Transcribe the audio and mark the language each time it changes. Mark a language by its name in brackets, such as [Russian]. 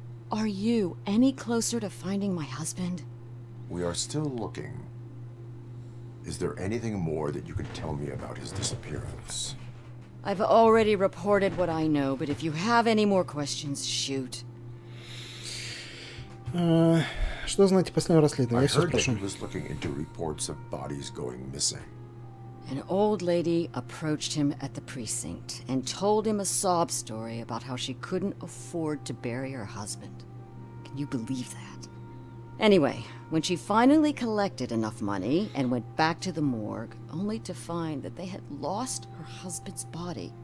[English] Are you any closer to finding my husband? We are still looking. Is there anything more that you can tell me about his disappearance? I've already reported what I know, but if you have any more questions, shoot. [Russian] Что знаете о последнем расследовании? [English] I heard that he was looking into reports of bodies going missing. An old lady approached him at the precinct and told him a sob story about how she couldn't afford to bury her husband. Can you believe that? Anyway, when she finally collected enough money and went back to the morgue, only to find that they had lost her husband's body.